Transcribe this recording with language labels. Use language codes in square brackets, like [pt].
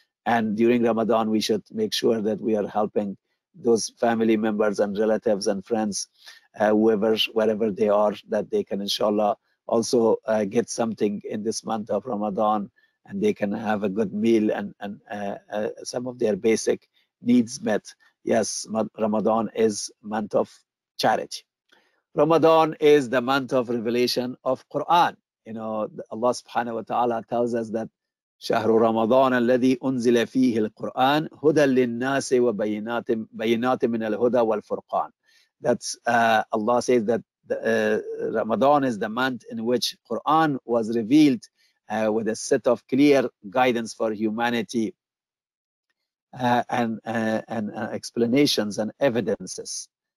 [en] And during Ramadan, we should make sure that we are helping those family members and relatives and friends, whoever, wherever they are, that they can inshallah also get something in this month of Ramadan, and they can have a good meal and some of their basic needs met. Yes, Ramadan is month of charity. Ramadan is the month of revelation of Quran. You know, Allah subhanahu wa ta'ala tells us that [ar] شهر رمضان الذي أنزل فيه القرآن هدى للناس وبينات من الهدى والفرقان. [en] That's Allah says that Ramadan is the month in which Quran was revealed with a set of clear guidance for humanity and explanations and evidences.